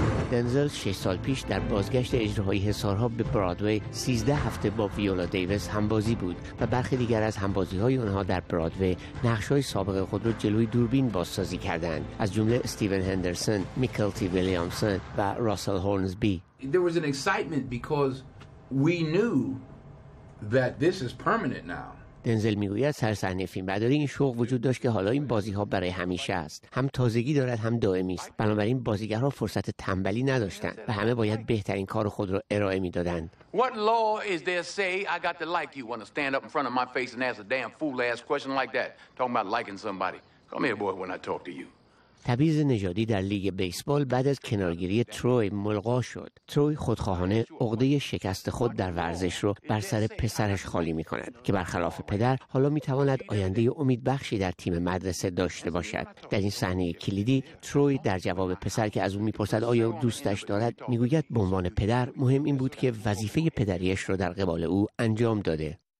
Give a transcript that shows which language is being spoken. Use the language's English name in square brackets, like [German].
[Persian] دنزل 6 سال پیش در بازگشت اجراهای حصارها به برادوی 13 هفته با ویولا دیویس همبازی بود و برخی دیگر از همبازی‌های آنها در برادوی نقش‌های سابق خود را جلوی دوربین بازسازی کردند، از جمله استیون هندرسون، میکل تی ویلیامسون و راسل هورنزبی. [English] There was an excitement because we knew that this is permanent now. [Persian] دنزل میگوید سر صحنه فیلم برداری این شوق وجود داشت که حالا این بازی ها برای همیشه است، هم تازگی دارد هم دائمی است، بنابراین بازیگرها فرصت تنبلی نداشتند و همه باید بهترین کار خود را ارائه میدادند. [English] What law is there say I got to like you when I stand up in front of my face and ask a damn fool ass question like that talking about liking somebody? Come here boy when I talk to you. [Persian] تبعیض نژادی در لیگ بیسبال بعد از کنارگیری تروی ملغا شد. تروی خودخواهانه عقده شکست خود در ورزش رو بر سر پسرش خالی می کند که برخلاف پدر حالا می تواند آینده امیدبخشی در تیم مدرسه داشته باشد. در این صحنه کلیدی تروی در جواب پسر که از او می پرسد آیا دوستش دارد می گوید به عنوان پدر مهم این بود که وظیفه پدریش رو در قبال او انجام داده.